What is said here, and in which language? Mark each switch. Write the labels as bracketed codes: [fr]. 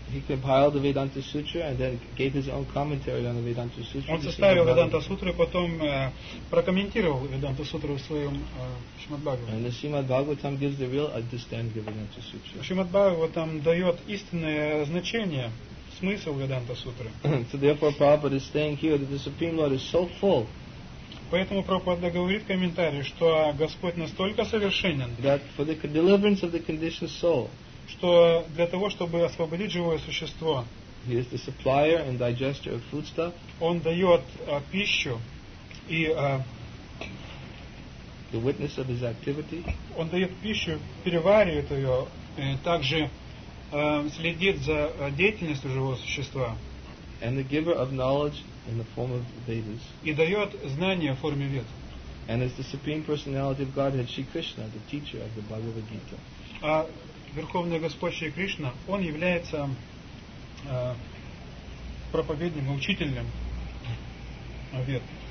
[en] He compiled the Vedanta Sutra and then gave his own commentary on the Vedanta Sutra. [ru] Он составил Веданта Сутру и потом прокомментировал Веданта Сутру в своем Шримад Бхагаватам. [en] And the Shrimad Bhagavatam gives the real understanding of Vedanta Sutra. [ru] Шримад Бхагаватам дает истинное значение, смысл Веданта Сутры. [en] So therefore Prabhupada is saying here that the Supreme Lord is so full. [ru] Поэтому Прабхупада говорит в комментарии, что Господь настолько совершенен, [en] that for the deliverance of the conditioned soul, [ru] что для того, чтобы освободить живое существо, [en] he is the supplier and digester of foodstuff, [ru] он дает пищу и [en] the witness of his activity, [ru] он дает пищу, переваривает ее, и также следит за деятельностью живого существа. [en] And the giver of knowledge in the form of Vedas. [ru] И дает знания в форме вед. [en] And as the Supreme Personality of Godhead, Shri Krishna, the teacher of the Bhagavad Gita. [ru] А Верховный Господь Шри Кришна, он является проповедником, учителем вед.